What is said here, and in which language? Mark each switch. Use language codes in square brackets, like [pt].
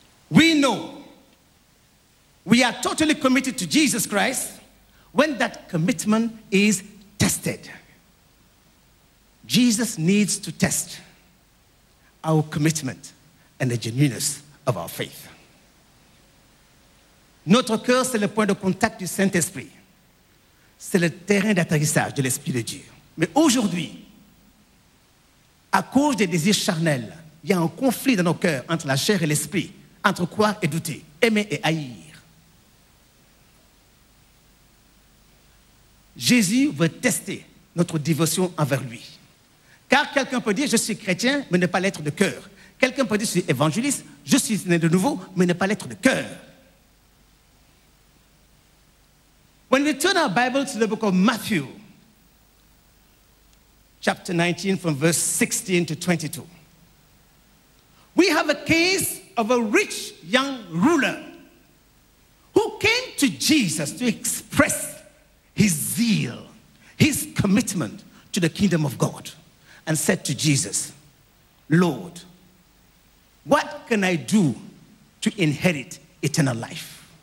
[en] We know we are totally committed to Jesus Christ when that commitment is tested. Jesus needs to test our commitment and the genuineness of our faith. [fr] Notre cœur, c'est le point de contact du Saint-Esprit. C'est le terrain d'atterrissage de l'Esprit de Dieu. Mais aujourd'hui, à cause des désirs charnels, il y a un conflit dans nos cœurs entre la chair et l'Esprit, entre croire et douter, aimer et haïr. Jésus veut tester notre dévotion envers lui. Car quelqu'un peut dire, je suis chrétien, mais ne pas l'être de cœur. Quelqu'un peut dire, je suis évangéliste, je suis né de nouveau, mais ne pas l'être de cœur. [en] When we turn our Bible to the book of Matthew, chapter 19, from verse 16 to 22, we have a case of a rich young ruler who came to Jesus to express his zeal, his commitment to the kingdom of God, and said to Jesus, Lord, what can I do to inherit eternal life?